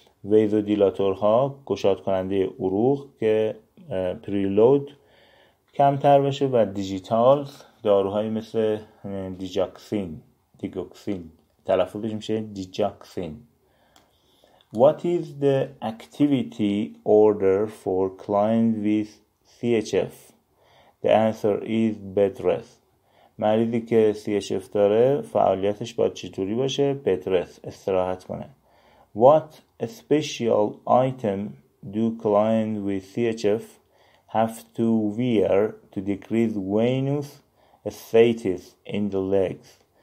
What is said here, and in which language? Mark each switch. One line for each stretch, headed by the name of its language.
Persian: ویزو دیلاتورها گشاد کننده عروق که پریلود کمتر بشه و دیجیتال داروهایی مثل دیجاکسین تلفظش میشه دیجاکسین.
English: What is the activity order for client with CHF? The answer is bed rest.
Persian: مریضی که CHF داره فعالیتش باید چطوری باشه؟ bed rest، استراحت کنه.
English: What special item do client with CHF have to wear to decrease venous ascites in the legs?